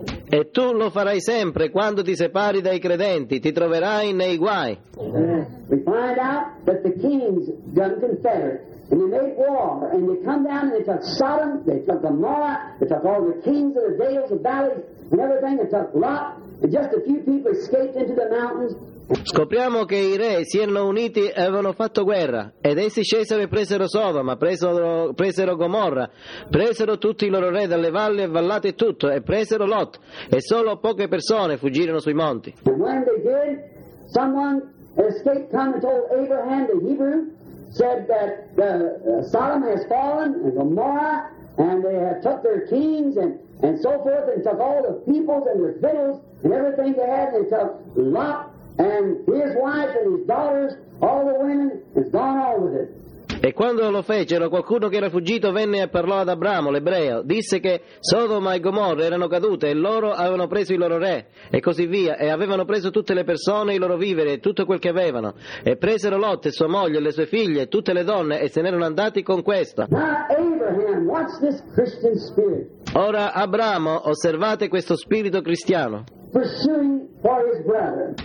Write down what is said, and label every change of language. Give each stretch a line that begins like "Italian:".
Italian: E tu lo farai sempre quando ti separi dai credenti, ti troverai nei guai.
English: We find out that the kings got confederate, and they made war, and they come down and they took Sodom, they took Gomorrah, they took all the kings of the dales and valleys and everything, they took Lot, Just a few people escaped into the mountains.
Italian: Scopriamo che i re si erano uniti e avevano fatto guerra, ed essi scesero e presero Sodoma, presero Gomorra, presero tutti i loro re dalle valli e vallate e tutto, e presero Lot, e solo poche persone fuggirono sui monti.
English: And when they did, someone escaped, come and told Abraham the Hebrew, said that Sodom has fallen and Gomorrah, and they have took their kings and so forth, and took all the peoples and their fiddles and everything they had, and they took Lot and his wife and his daughters, all the women, has gone all with it.
Italian: E quando lo fecero, qualcuno che era fuggito venne e parlò ad Abramo, l'ebreo. Disse che Sodoma e Gomorra erano cadute, e loro avevano preso i loro re, e così via, e avevano preso tutte le persone, i loro viveri, e tutto quel che avevano. E presero Lot, e sua moglie, e le sue figlie, e tutte le donne, e se n'erano andati con questa.
English: Now Abraham, watch this Christian spirit.
Italian: Ora Abramo, osservate questo spirito cristiano.
English: Pursuing for his brother.